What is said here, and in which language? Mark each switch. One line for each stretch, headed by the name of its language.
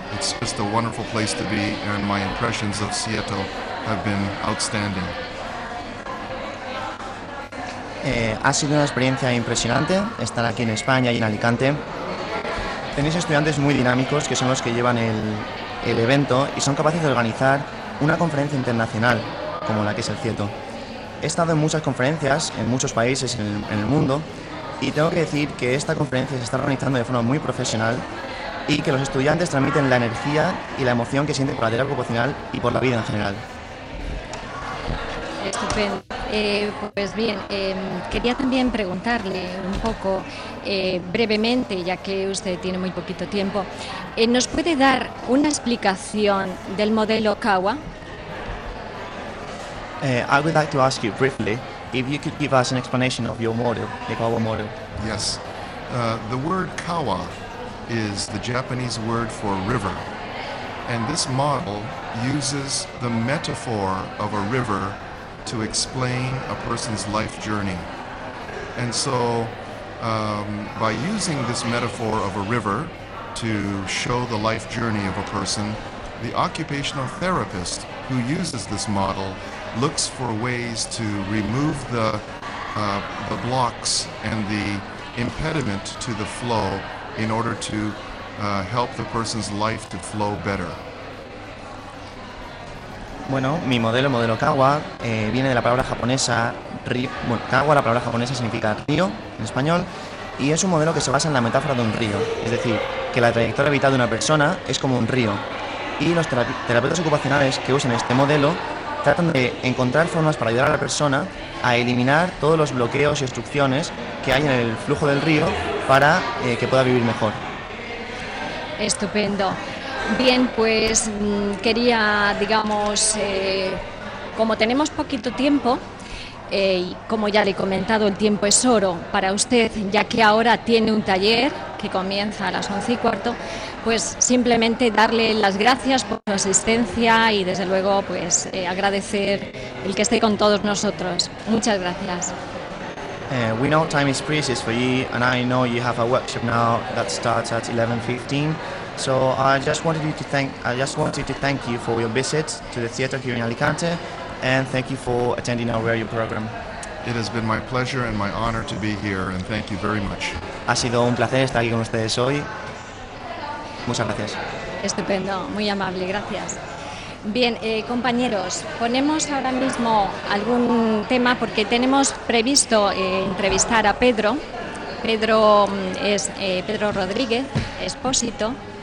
English: It's just a wonderful place to be, and my impressions of Seattle have been outstanding.
Spanish: Ha sido una experiencia impresionante estar aquí en España y en Alicante. Tenéis estudiantes muy dinámicos que son los que llevan el evento y son capaces de organizar una conferencia internacional como la que es el CIETO. He estado en muchas conferencias en muchos países en el mundo. Y tengo que decir que esta conferencia se está organizando de forma muy profesional y que los estudiantes transmiten la energía y la emoción que sienten por la terapia ocupacional y por la vida en general. Estupendo. Pues bien, quería también preguntarle un poco, brevemente, ya que usted tiene muy poquito tiempo, ¿nos puede dar una explicación del modelo Kawa?
English: I would like to ask you briefly if you could give us an explanation of your model, the Kawa model. Yes. The word Kawa is the Japanese word for river. And this model uses the metaphor of a river to explain a person's life journey. And so by using this metaphor of a river to show the life journey of a person, the occupational therapist who uses this model looks for ways to remove the blocks and the impediment to the flow in order to help the person's life to flow better.
Spanish: Bueno, mi modelo Kawa, viene de la palabra japonesa Kawa, la palabra japonesa significa río en español, y es un modelo que se basa en la metáfora de un río, es decir, que la trayectoria vital de una persona es como un río, y los terapeutas ocupacionales que usan este modelo tratan de encontrar formas para ayudar a la persona a eliminar todos los bloqueos y obstrucciones que hay en el flujo del río para que pueda vivir mejor. Estupendo. Bien, pues quería, digamos, como tenemos poquito tiempo, y como ya le he comentado, el tiempo es oro para usted, ya que ahora tiene un taller que comienza a las 11:15, pues simplemente darle las gracias por su asistencia y desde luego pues agradecer el que esté con todos nosotros. Muchas gracias.
English: We know time is precious for you, and I know you have a workshop now that starts at 11:15. So I just wanted to thank you for your visit to the theater here in Alicante, and thank you for attending our radio program. It has been my pleasure and my honor to be here, and thank you very much.
Spanish: Ha sido un placer estar aquí con ustedes hoy. Muchas gracias. Estupendo, muy amable, gracias. Bien, compañeros, ponemos ahora mismo algún tema porque tenemos previsto entrevistar a Pedro. Pedro es Pedro Rodríguez, Expósito.